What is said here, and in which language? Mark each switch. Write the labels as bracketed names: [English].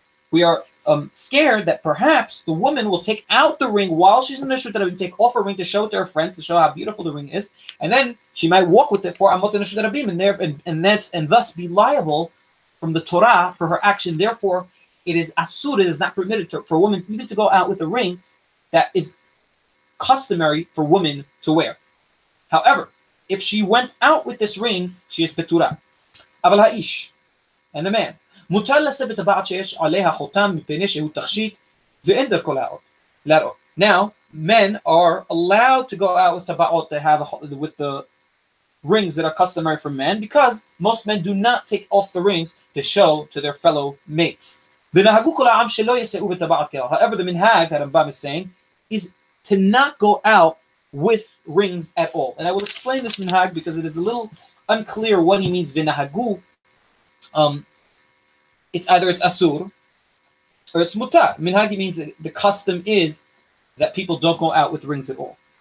[English] We are scared that perhaps the woman will take out the ring while she's in the Reshut Arabim, take off her ring to show it to her friends, to show how beautiful the ring is, and then she might walk with it for Amot in the Reshut Arabim, and thus be liable from the Torah for her action. Therefore, it is asur, it is not permitted for a woman even to go out with a ring that is customary for women to wear. However, if she went out with this ring, she is petura. [Hebrew] Aval ha'ish, [English] and the man. [Hebrew] מותר לשאת בטבעת שיש עליה חותם מפני שהוא תכשיט ואין דרכו להראות. [English] Now, men are allowed to go out with טבעות that have with the rings that are customary for men, because most men do not take off the rings to show to their fellow mates. [Hebrew] ונהגו כל העם שלא יסעו בטבעת כאלה. [English] However, the minhag, Rambam is saying, is to not go out with rings at all. And I will explain this minhag because it is a little unclear what he means, ונהגו. It's either it's asur or it's mutar. Minhagi means the custom is that people don't go out with rings at all.